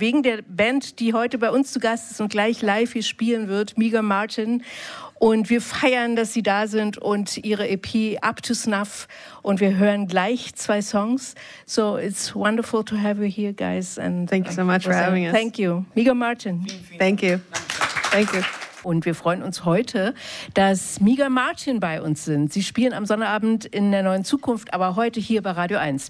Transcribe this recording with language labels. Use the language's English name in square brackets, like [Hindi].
[German] Wegen der Band, die heute bei uns zu Gast ist und gleich live hier spielen wird, Miga Martin. Und wir feiern, dass sie da sind und ihre EP Up to Snuff. Und wir hören gleich zwei Songs. [English] So it's wonderful to have you here, guys. And thank you so much for having us. Thank you. Miga Martin. Thank you. Thank you. [German] Und wir freuen uns heute, dass Miga Martin bei uns sind. Sie spielen am Sonnabend in der Neuen Zukunft, aber heute hier bei Radio 1.